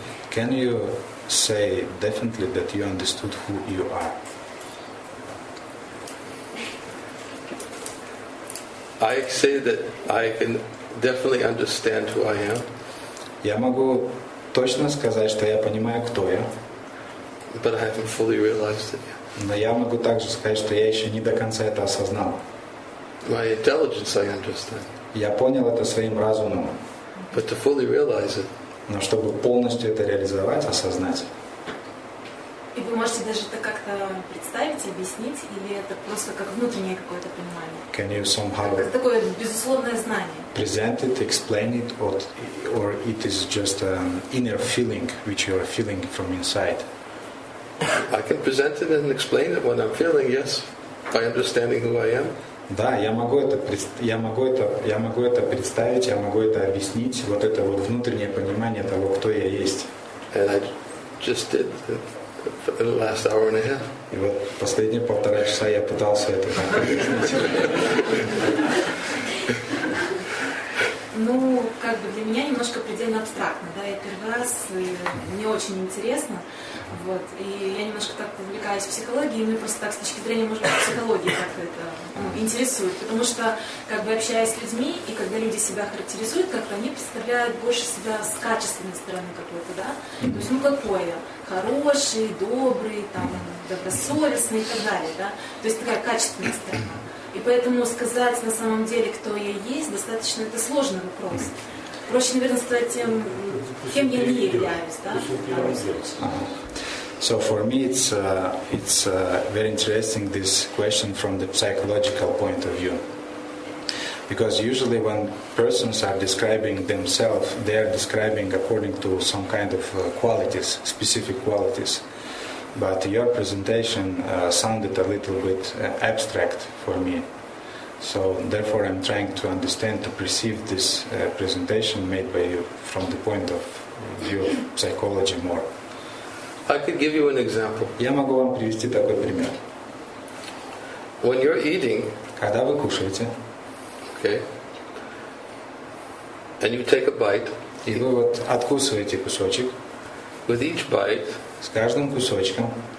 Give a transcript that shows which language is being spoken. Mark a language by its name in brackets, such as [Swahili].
[English] Can you say definitely that you understood who you are? I say that I can definitely understand who I am. [Russian] Я могу точно сказать, что я понимаю, кто я. [English] But I haven't fully realized it yet. [Russian] Но я могу также сказать, что я еще не до конца это осознал. [English] My intelligence, I understand. [Russian] Я понял это своим разумом. [English] But to fully realize it. [Russian] Но чтобы полностью это реализовать, осознать. И вы можете даже это как-то представить, объяснить, или это просто как внутреннее какое-то понимание? [English] Can you somehow? [Russian] Как такое безусловное знание. [English] Present it, explain it, or it is just an inner feeling which you are feeling from inside. I can present it and explain it when I'm feeling, yes, by understanding who I am. [Russian] Да, я могу это представить, я могу это объяснить, вот это вот внутреннее понимание того, кто я есть. [English] And I just did for the last hour and a half. [Russian] И вот последние полтора часа я пытался это объяснить. Ну, как бы для меня немножко странно, потому что я первый раз, мне очень интересно. Вот. И я немножко так увлекаюсь психологией, и мне просто так с точки зрения, может быть, психологии как-то это интересует. Потому что, как бы общаясь с людьми, и когда люди себя характеризуют как-то, они представляют больше себя с качественной стороны какой-то, да? То есть, ну, какое? Хороший, добрый, там, добросовестный и так далее, да? То есть, такая качественная сторона. И поэтому сказать на самом деле, кто я есть, достаточно это сложный вопрос. Проще, наверное, сказать тем, кем я не являюсь, да? [English] So for me, it's very interesting this question from the psychological point of view, because usually when persons are describing themselves, they are describing according to some kind of qualities, specific qualities. but your presentation sounded a little bit abstract for me. So therefore I'm trying to understand, to perceive this presentation made by you from the point of view of psychology more. I could give you an example. [Russian] Я могу вам привести такой пример. [English] When you're eating, [Russian] когда вы кушаете, [English] okay, and you take a bite, [Russian] и вы вот откусываете кусочек, [English] with each bite, [Russian] с каждым кусочком,